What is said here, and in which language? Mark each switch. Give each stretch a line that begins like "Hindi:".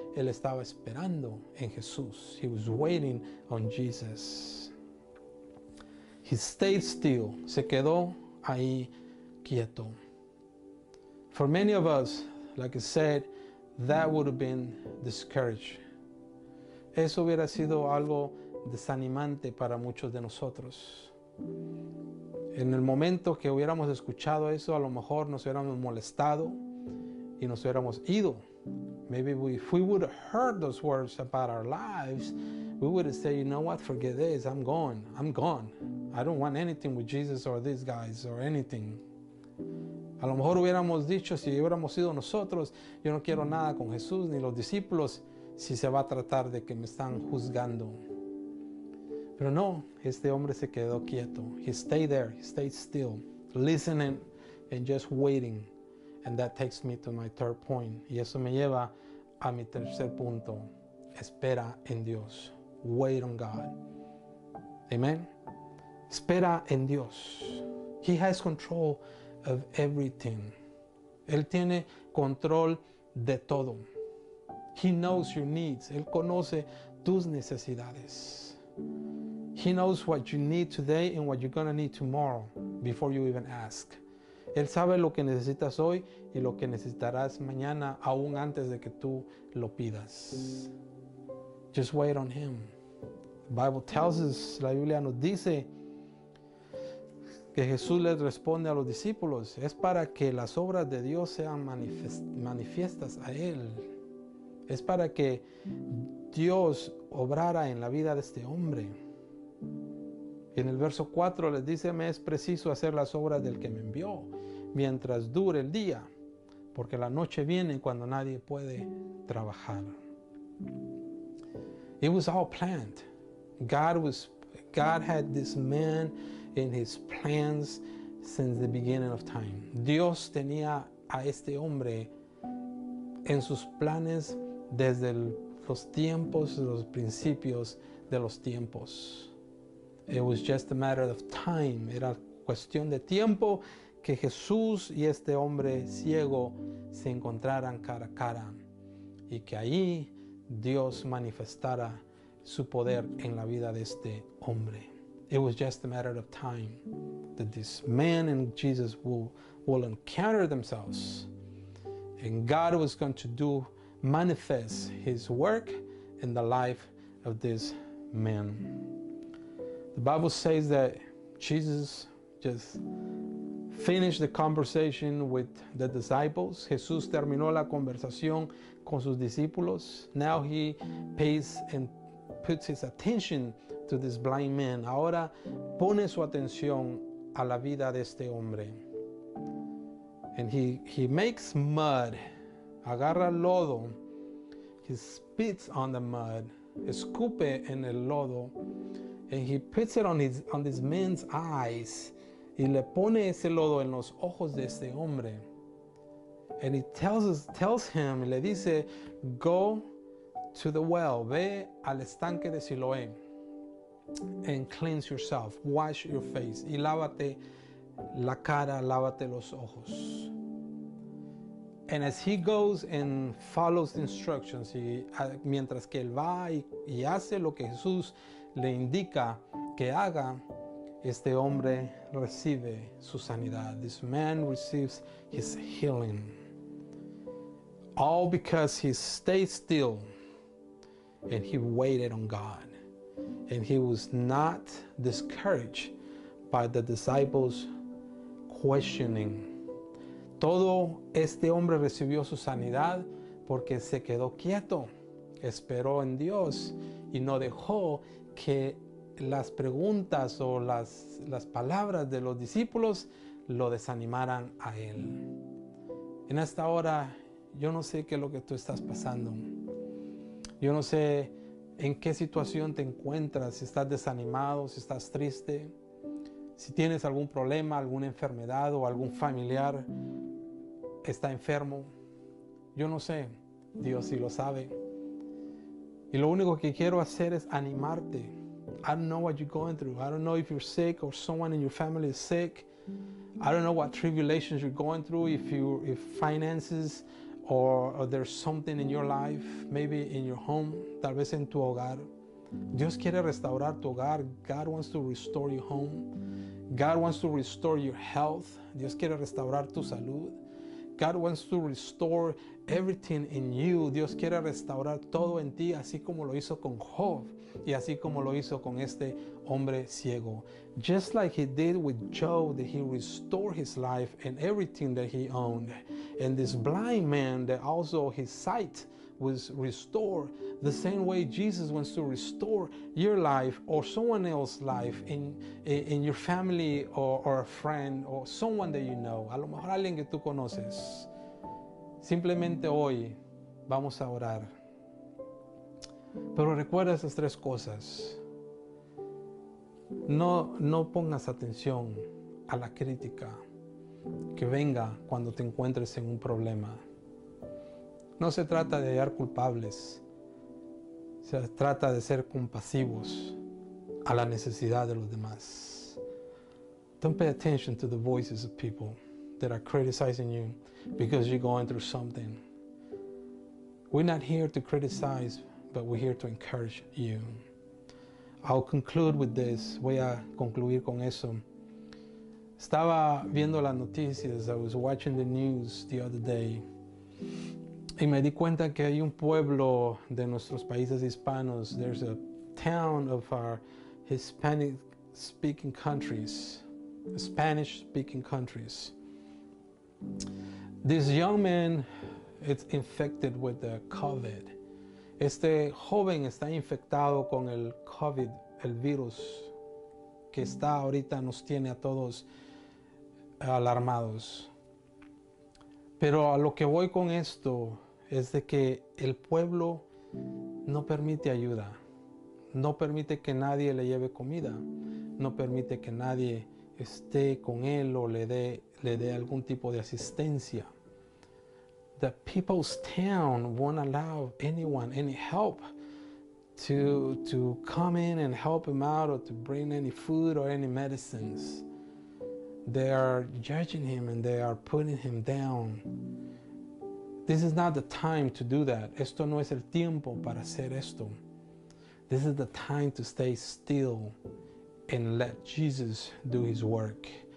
Spanish: Él estaba esperando en Jesús.
English: He was waiting on Jesus. He stayed still.
Spanish: Se quedó ahí quieto.
English: For many of us, like I said, that would have been discouraged.
Spanish: Eso hubiera sido algo desanimante para muchos de nosotros. En el momento que hubiéramos escuchado eso, a lo mejor nos hubiéramos molestado y nos hubiéramos ido.
English: Maybe if we would have heard those words about our lives, we would have said, you know what, forget this, I'm gone, I'm gone. I don't want anything with Jesus or these guys or anything.
Spanish: A lo mejor hubiéramos dicho, si hubiéramos sido nosotros, yo no quiero nada con Jesús ni los discípulos, si se va a tratar de que me están juzgando. Pero no, este hombre se quedó quieto.
English: He stayed there, he stayed still, listening and just waiting. And that takes me to my third point.
Spanish: Y eso me lleva a mi tercer punto. Espera en Dios.
English: wait on God. Amen.
Spanish: Espera en Dios.
English: He has control of everything.
Spanish: Él tiene control de todo.
English: He knows your needs.
Spanish: Él conoce tus necesidades.
English: He knows what you need today and what you're going to need tomorrow before you even ask.
Spanish: Él sabe lo que necesitas hoy y lo que necesitarás mañana, aún antes de que tú lo pidas.
English: Just wait on Him. The Bible tells us,
Spanish: la Biblia nos dice, que Jesús les responde a los discípulos, es para que las obras de Dios sean manifiestas a Él. Es para que Dios obrara en la vida de este hombre. Y en el verso 4 les dice, me es preciso hacer las obras del que me envió, mientras dure el día, porque la noche viene cuando nadie puede trabajar.
English: It was all planned. God had this man in his plans since the beginning of time.
Spanish: Dios tenía a este hombre en sus planes desde los tiempos, los principios de los tiempos.
English: It was just a matter of time.
Spanish: Era cuestión de tiempo que Jesús y este hombre ciego se encontraran cara a cara y que ahí Dios manifestara su poder en la vida de este hombre.
English: It was just a matter of time that this man and Jesus will encounter themselves, and God was going to do manifest His work in the life of this man. The Bible says that Jesus just finished the conversation with the disciples.
Spanish: Jesús terminó la conversación con sus discípulos.
English: Now He pays and puts His attention to this blind man.
Spanish: Ahora pone su atención a la vida de este hombre.
English: And he makes mud.
Spanish: Agarra lodo.
English: He spits on the mud.
Spanish: Escupe en el lodo.
English: And he puts it on this man's eyes.
Spanish: Y le pone ese lodo en los ojos de este hombre.
English: And he tells him,
Spanish: le dice,
English: go to the well.
Spanish: Ve al estanque de Siloé.
English: And cleanse yourself, wash your face,
Spanish: y lávate la cara, lávate los ojos.
English: And as he goes and follows the instructions,
Spanish: y mientras que él va y hace lo que Jesús le indica que haga, este hombre recibe su sanidad.
English: This man receives his healing. All because he stayed still and he waited on God. And he was not discouraged by the disciples questioning.
Spanish: Todo este hombre recibió su sanidad porque se quedó quieto, esperó en Dios y no dejó que las preguntas o las palabras de los discípulos lo desanimaran a él. En esta hora, yo no sé qué es lo que tú estás pasando. Yo no sé en qué situación te encuentras, si estás desanimado, si estás triste, si tienes algún problema, alguna enfermedad o algún familiar está enfermo. Yo no sé, Dios sí lo sabe. Y lo único que quiero hacer es animarte.
English: I don't know what you're going through. I don't know if you're sick or someone in your family is sick. I don't know what tribulations you're going through, if finances or there's something in your life, maybe in your home,
Spanish: tal vez en tu hogar. Dios quiere restaurar tu hogar.
English: God wants to restore your home. God wants to restore your health.
Spanish: Dios quiere restaurar tu salud.
English: God wants to restore everything in you.
Spanish: Dios quiere restaurar todo en ti, así como lo hizo con Job y así como lo hizo con este hombre ciego.
English: Just like He did with Job, that He restored his life and everything that he owned. And this blind man, that also his sight was restored, the same way Jesus wants to restore your life or someone else's life in your family or a friend or someone that you know.
Spanish: A lo mejor alguien que tú conoces. Simplemente hoy vamos a orar. Pero recuerda esas tres cosas. No pongas atención a la crítica que venga cuando te encuentres en un problema. No se trata de hallar culpables. Se trata de ser compasivos a la necesidad de los demás.
English: Don't pay attention to the voices of people that are criticizing you because you're going through something. We're not here to criticize, but we're here to encourage you. I'll conclude with this.
Spanish: Voy a concluir con eso. Estaba viendo las noticias.
English: I was watching the news the other day.
Spanish: Y me di cuenta que hay un pueblo de nuestros países hispanos.
English: There's a town of our Hispanic-speaking countries. Spanish-speaking countries. This young man is infected with the COVID.
Spanish: Este joven está infectado con el COVID, el virus que está ahorita nos tiene a todos alarmados. Pero a lo que voy con esto es de que el pueblo no permite ayuda, no permite que nadie le lleve comida, no permite que nadie esté con él o le dé algún tipo de asistencia.
English: The people's town won't allow anyone any help to come in and help him out or to bring any food or any medicines. They are judging him and they are putting him down. This is not the time to do that.
Spanish: Esto no es el tiempo para hacer esto.
English: This is the time to stay still and let Jesus do his work.